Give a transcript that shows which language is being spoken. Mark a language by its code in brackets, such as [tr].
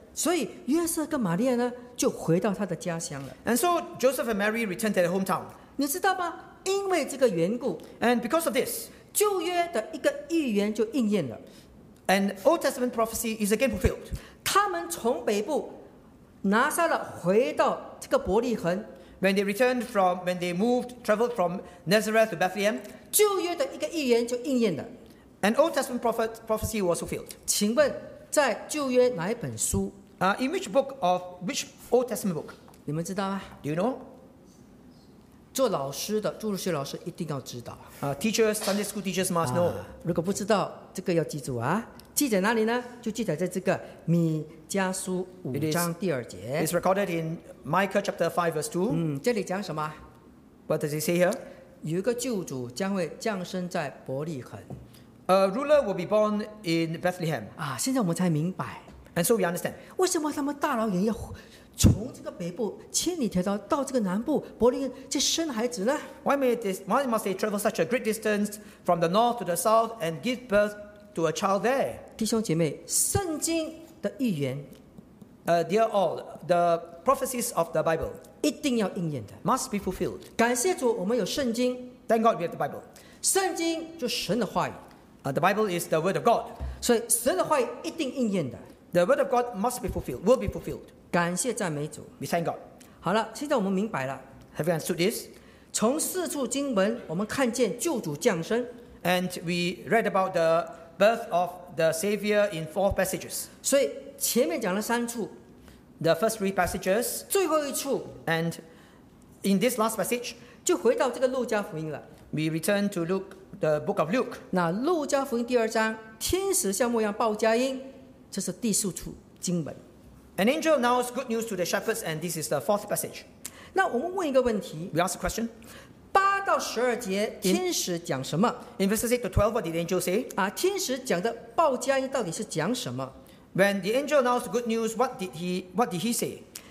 [zh] 所以约瑟跟玛利亚呢就回到他的家乡了。 [en] And so Joseph and Mary returned to their hometown. [zh] 你知道吗？因为这个缘故 [en] and because of this. [zh] 旧约的一个预言就应验了 [en] ，and Old Testament prophecy is again fulfilled. [zh] 他们从北部拿撒勒回到这个伯利恒 [en] ，when they moved traveled from Nazareth to Bethlehem, [zh] 旧约的一个预言就应验了 [en] ，and Old Testament prophecy was fulfilled. [zh] 请问在旧约哪一本书 [en] ？In which book of which Old Testament book? [zh] 你们知道吗 [en] ？Do you know? [zh] 做老师的注入学老师一定要知道。 [en] Teachers, Sunday school teachers must know. [zh] 如果不知道，这个要记住啊。记载哪里呢？就记载在这个米迦书五章第二节。 [en] It's recorded in Micah chapter 5 verse 2. [zh] 这里讲什么 [en] ？What does it say here? [zh] 有一个救主将会降生在伯利恒。 [en] A ruler will be born in Bethlehem. [zh] 啊，现在我们才明白。 [en] And so we understand. [zh] 为什么他们大老远要？从这个北部千里迢迢到这个南部柏林去生孩子呢 [en] Why must they travel such a great distance from the north to the south and give birth to a child there? [zh] 弟兄姐妹，圣经的预言 [en] dear all, the prophecies of the Bible [zh] 一定要应验的 [en] must be fulfilled. [zh] 感谢主，我们有圣经。 [en] Thank God we have the Bible. [zh] 圣经就是神的话语。 [en] The Bible is the word of God. [zh] 所以神的话语一定应验的。 [en] The word of God must be fulfilled, will be fulfilled. [zh] 感谢赞美主。 [en] We thank God. [zh] 好了，现在我们明白了。 [en] Have you understood this? [zh] 从四处经文，我们看见救主降生。 [en] And we read about the birth of the Savior in four passages. [zh] 所以前面讲了三处。 [en] The first three passages. [zh] 最后一处。 [en] And in this last passage, [zh] 就回到这个路加福音了。 [en] We return to Luke, the book of Luke. [zh] 那路加福音第二章，天使向牧羊报佳音，这是第四处经文。 [en] An angel announced good news to the shepherds, and this is the fourth passage. [zh] 那我们问一个问题。 [en] We ask a question. [zh] 到十二节，天使讲什么 [en] ？In verses 8 to 12, what did the angel say? [zh] 啊，天使讲的报佳音到底是讲什么 [en] ？When the angel announced good news, what did he say?